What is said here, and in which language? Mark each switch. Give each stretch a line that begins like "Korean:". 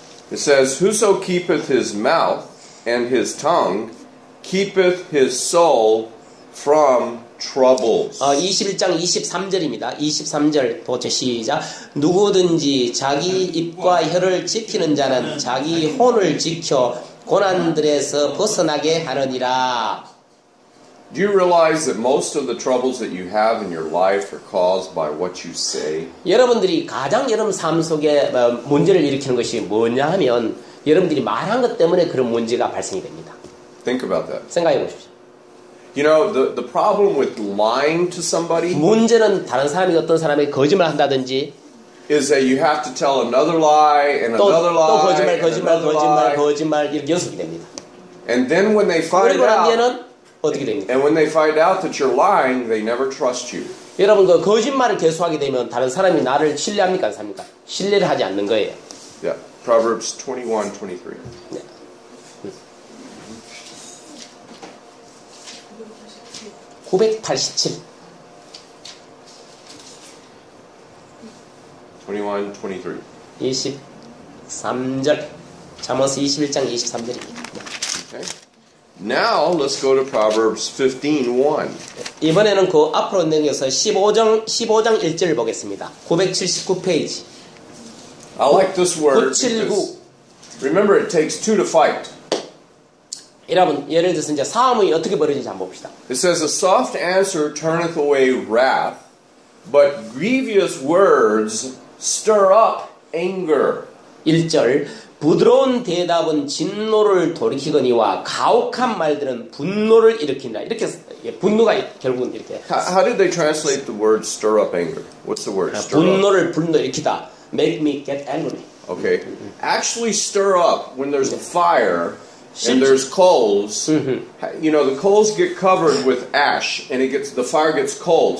English: It says, Whoso keepeth his mouth and his tongue keepeth his soul from troubles.
Korean: 21장 23절입니다. 23절 보죠. 시작. 누구든지 자기 입과 혀를 지키는 자는 자기 혼을 지켜 고난들에서 벗어나게 하느니라.
English: Do you realize that most of the troubles that you have in your life are caused by what you say?
Korean: 여러분들이 가장 여러분 삶 속에 문제를 일으키는 것이 뭐냐면 여러분들이 말한 것 때문에 그런 문제가 발생이 됩니다.
English: Think about that.
Korean: 생각해 보십시오.
English: You know, the problem with lying to somebody
Korean: 문제는 다른 사람이 어떤 사람에게 거짓말 한다든지
English: is that you have to tell another lie and another lie
Korean: 또 거짓말 거짓말 거짓말 거짓말 이렇게 연습이 됩니다.
English: And then when they find out
Korean: 어떻게 됩니까?
English: And when they find out that you're lying, they never trust you.
Korean: 여러분 그 거짓말을 계속하게 되면 다른 사람이 나를 신뢰합니까 안 삽니까? 신뢰를 하지 않는 거예요.
English: Yeah. Proverbs 21:23. Yeah. 987. 21:23.
Korean: 23절. 잠언서 21장 23절입니다.
English: Okay. Now let's go to Proverbs 15:1.
Korean: 이번에는 그 앞으로 넘겨서 15장 1절을 보겠습니다. 979페이지.
English: I like this word. 979. Remember, it takes two to fight.
Korean: 여러분, 예를 들어서 이제 싸움이 어떻게 벌어지는지 한번 봅시다.
English: It says a soft answer turneth away wrath, but grievous words stir up anger.
Korean: 1절. 부드러운 대답은 진노를 돌이키거니와 가혹한 말들은 분노를 일으킨다. 이렇게 분노가 결국은 이렇게.
English: How did they translate the word stir up anger? What's the word? Stir
Korean: 분노를
English: up?
Korean: 분노 일으키다.
English: Make me get angry. Okay. Actually stir up when there's a fire and there's coals. You know, the coals get covered with ash and it gets the fire gets cold.